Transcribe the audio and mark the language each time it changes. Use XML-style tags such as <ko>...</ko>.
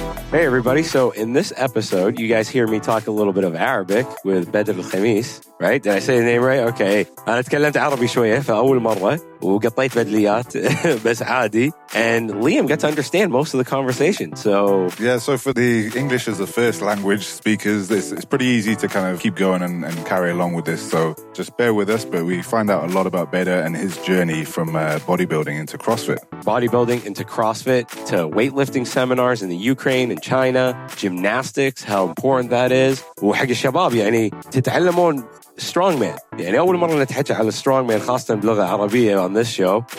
<en>Hey everybody, so in this episode, you guys hear me talk a little bit of Arabic with Bedr al-Khamees, right? Did I say the name right? Okay.</en> <ar>أنا تكلمت عربي شوية فأول مرة وقطيت بدليات بس عادي.</ar> <en>And Liam got to understand most of the conversation, so... Yeah, so for the English as a first language speakers, it's pretty easy to kind of keep going and carry along with this. So just bear with us, but we find out a lot about Bedr and his journey from bodybuilding into CrossFit. Bodybuilding into CrossFit to weightlifting seminars in the Ukraine and China, gymnastics, how important that is.</en> <ar>وحق الشباب يعني تتعلمون...</ar> <en>Strongman.</en> <ar>يعني أول مرة نتحدث على strongman خاصة باللغة العربية</ar> <en>on this show.</en>